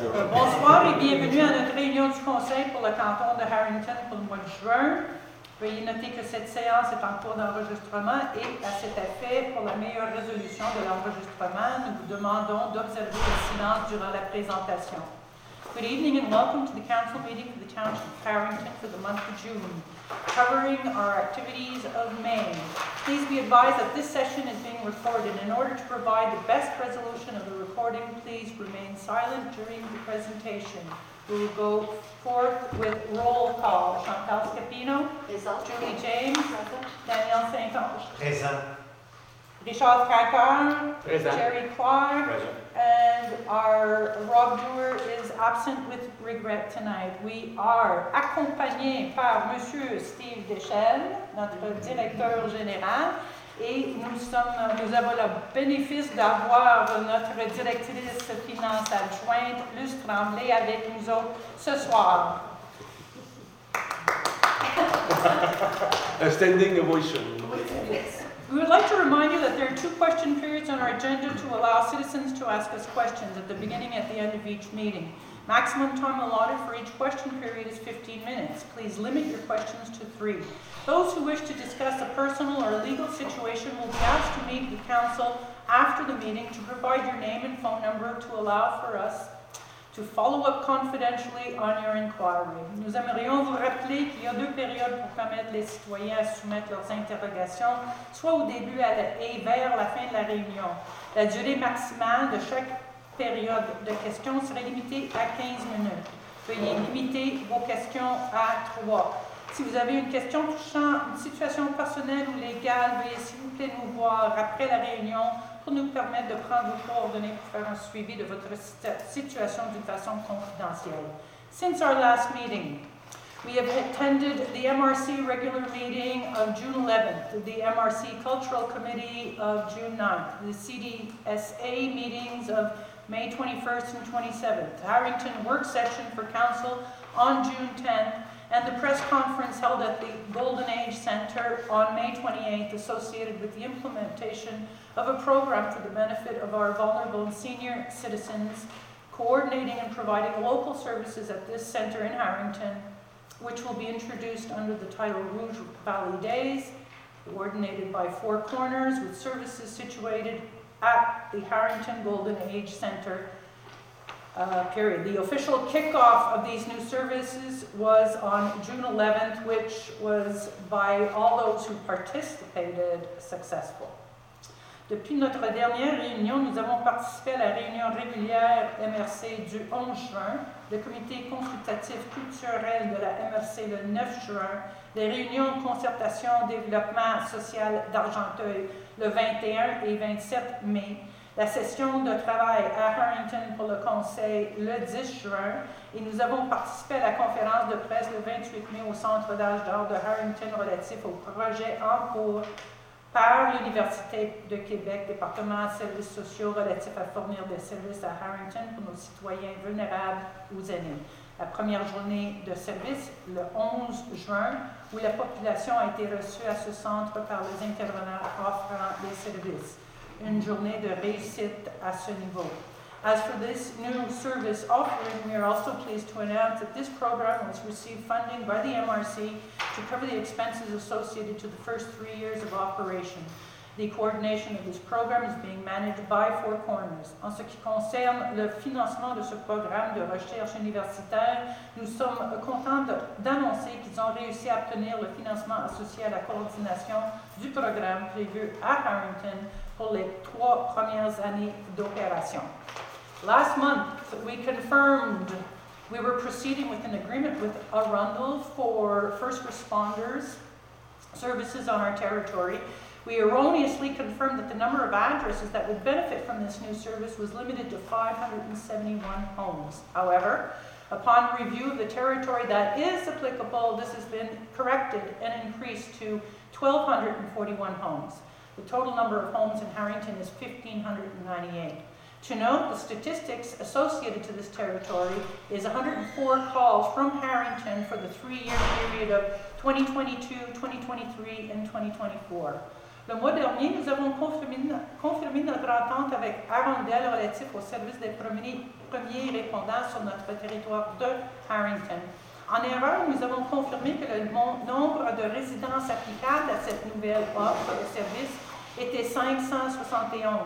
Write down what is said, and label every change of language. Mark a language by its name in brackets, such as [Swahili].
[French] Bonsoir et bienvenue à notre réunion du conseil pour le canton de Harrington pour le mois de juin. Veuillez noter que cette séance est en cours d'enregistrement et à cet effet, pour la meilleure résolution de l'enregistrement, nous vous demandons d'observer le silence durant la présentation. [English] Good evening and welcome to the council meeting for the Township of Harrington for the month of June, covering our activities of May. Please be advised that this session is being recorded. In order to provide the best resolution of the recording, please remain silent during the presentation. We will go forth with roll call. Chantal Scapino. Present. Julie James. Present. Danielle Saint-Ange. Present. Richard Cracker. Present. Jerry Clark. Present. And our Rob Dewar is absent with regret tonight. We are [French] accompagnés par Monsieur Steve Deschênes, notre directeur général, et nous avons le bénéfice d'avoir notre directrice finance adjointe, Luce Tremblay, avec nous autres ce soir. [English] A standing ovation. We would like to remind you that there are two question periods on our agenda to allow citizens to ask us questions at the beginning and at the end of each meeting. Maximum time allotted for each question period is 15 minutes. Please limit your questions to three. Those who wish to discuss a personal or legal situation will be asked to meet with council after the meeting to provide your name and phone number to allow for us to follow up confidentially on your inquiry. [French] Nous aimerions vous rappeler qu'il y a deux périodes pour permettre les citoyens à soumettre leurs interrogations, soit au début et vers la fin de la réunion. La durée maximale de chaque période de questions serait limitée à 15 minutes. Veuillez limiter vos questions à 3. Si vous avez une question touchant une situation personnelle ou légale, veuillez s'il vous plaît nous voir après la réunion pour nous permettre de prendre vos coordonnées pour faire un suivi de votre situation d'une façon confidentielle. [English] Since our last meeting, we have attended the MRC regular meeting of June 11th, the MRC Cultural Committee of June 9th, the CDSA meetings of May 21st and 27th, Harrington work session for council on June 10th, and the press conference held at the Golden Age Center on May 28th associated with the implementation of a program for the benefit of our vulnerable senior citizens, coordinating and providing local services at this center in Harrington, which will be introduced under the title Rouge Valley Days, coordinated by Four Corners, with services situated at the Harrington Golden Age Center. Period. The official kickoff of these new services was on June 11th, which was, by all those who participated, successful. [French] Depuis notre dernière réunion, nous avons participé à la réunion régulière MRC du 11 juin, le comité consultatif culturel de la MRC le 9 juin, les réunions concertation développement social d'Argenteuil le 21 et 27 mai, la session de travail à Harrington pour le Conseil le 10 juin, et nous avons participé à la conférence de presse le 28 mai au Centre d'âge d'or de Harrington relatif au projet en cours par l'Université de Québec, département de services sociaux relatif à fournir des services à Harrington pour nos citoyens vulnérables ou aînés. La première journée de service, le 11 juin, où la population a été reçue à ce centre par les intervenants offrant des services. Une journée de réussite à ce niveau. [English] As for this new service offering, we are also pleased to announce that this program has received funding by the MRC to cover the expenses associated to the first 3 years of operation. The coordination of this program is being managed by Four Corners. [French] En ce qui concerne le financement de ce programme de recherche universitaire, nous sommes contents d'annoncer qu'ils ont réussi à obtenir le financement associé à la coordination du programme prévu à Harrington pour les trois premières années d'opération. [English] Last month, we confirmed we were proceeding with an agreement with Arundel for first responders services on our territory. We erroneously confirmed that the number of addresses that would benefit from this new service was limited to 571 homes. However, upon review of the territory that is applicable, this has been corrected and increased to 1,241 homes. The total number of homes in Harrington is 1,598. To note, the statistics associated to this territory is 104 calls from Harrington for the 3-year period of 2022, 2023, and 2024. [French] Le mois dernier, nous avons confirmé notre entente avec Arundel relatif au service des premiers répondants sur notre territoire de Harrington. En erreur, nous avons confirmé que le nombre de résidences applicables à cette nouvelle offre de service était 571.